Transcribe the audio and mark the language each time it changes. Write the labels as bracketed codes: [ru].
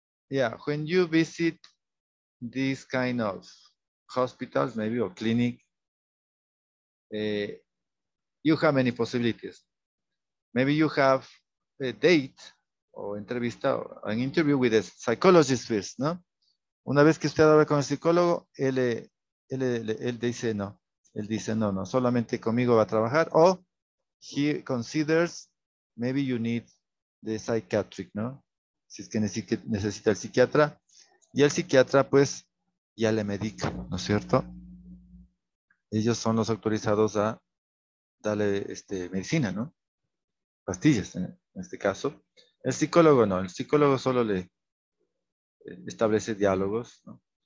[en] Yeah, when you visit these kind of hospitals, maybe, or clinic, you have many possibilities. Maybe you have a date or entrevista, or an interview with a psychologist first, no? [es] Una vez que usted habla con el psicólogo, él dice no. Él dice no, no, solamente conmigo va a trabajar. [en] O he considers maybe you need the psychiatric, no? [es] Si es que necesita el psiquiatra. Y el psiquiatra, pues, ya le medica, ¿no es cierto? Ellos son los autorizados a darle medicina, ¿no? Pastillas, en este caso. El psicólogo no, el psicólogo solo le establece diálogos, ¿no?